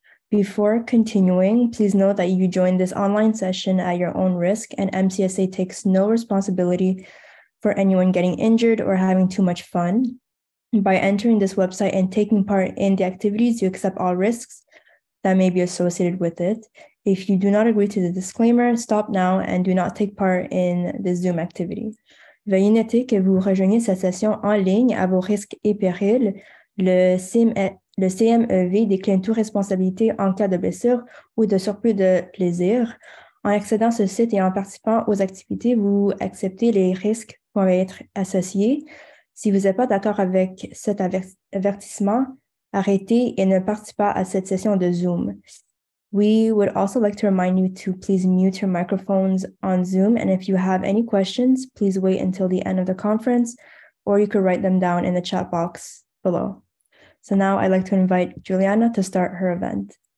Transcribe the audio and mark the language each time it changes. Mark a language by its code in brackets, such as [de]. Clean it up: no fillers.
[en] Before continuing, please note that you joined this online session at your own risk, and MCSA takes no responsibility for anyone getting injured or having too much fun. By entering this website and taking part in the activities, you accept all risks that may be associated with it. If you do not agree to the disclaimer, stop now and do not take part in the Zoom activity. [fr] Veuillez noter que vous rejoignez cette session en ligne à vos risques et périls. Le CMEV décline toute responsabilité en cas de blessure ou de surplus de plaisir. En accédant à ce site et en participant aux activités, vous acceptez les risques qui vont être associés. Si vous n'êtes pas d'accord avec cet avertissement, arrêtez et ne participez pas à cette session de Zoom. [en] We would also like to remind you to please mute your microphones on Zoom, and if you have any questions, please wait until the end of the conference, or you could write them down in the chat box below. So now I'd like to invite Giuliana to start her event.